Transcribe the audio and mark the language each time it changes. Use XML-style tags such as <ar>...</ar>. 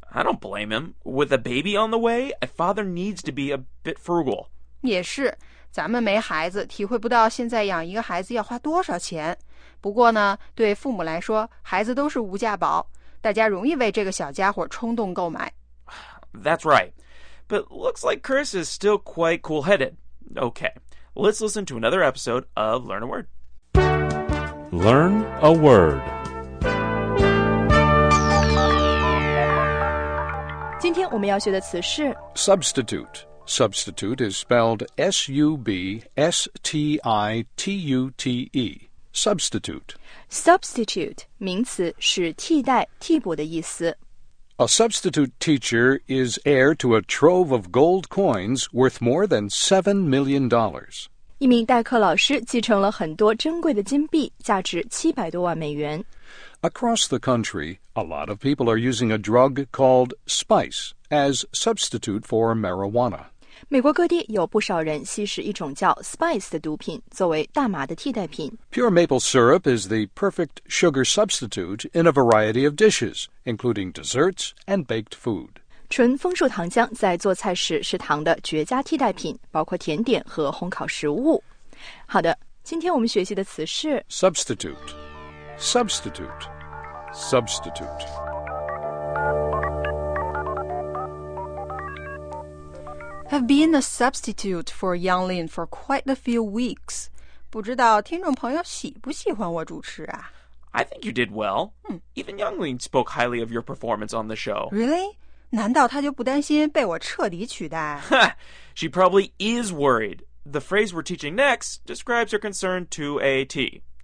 <en>I don't blame him. With a baby on the way, a father needs to be a bit frugal.</en> <zh>也是，咱们没孩子，体会不到现在养一个孩子要花多少钱。不过呢，对父母来说，孩子都是无价宝，大家容易为这个小家伙冲动购买。</zh> <en>That's right. But looks like Chris is still quite cool-headed. Okay, let's listen to another episode of Learn a Word. Learn a Word.</en> <zh>今天我们要学的词是</zh> <en>Substitute. Substitute is spelled S-U-B-S-T-I-T-U-T-E. Substitute.</en> <zh>Substitute, 名词是替代、替补的意思。</zh> <en>A substitute teacher is heir to a trove of gold coins worth more than $7 million.</en> <zh>一名代课老师继承了很多珍贵的金币，价值700多万美元。</zh> <en>Across the country, a lot of people are using a drug called spice as substitute for marijuana.</en> <zh>美国各地有不少人吸食一种叫 spice 的毒品作为大麻的替代品。</zh> <en>Pure maple syrup is the perfect sugar substitute in a variety of dishes, including desserts and baked food.</en> <zh>纯枫树糖浆在做菜时是糖的绝佳替代品，包括甜点和烘烤食物。好的，今天我们学习的词是</zh> <en>substitute, substitute, substitute. I've been a substitute for Yang Lin for quite a few weeks.</en> <zh>不知道听众朋友喜不喜欢我主持啊？</zh> <en>I think you did well. Even Yang Lin spoke highly of your performance on the show. Really?</en> <zh>难道他就不担心被我彻底取代？</zh> <en>She probably is worried. The phrase we're teaching next describes her concern to a T.</en>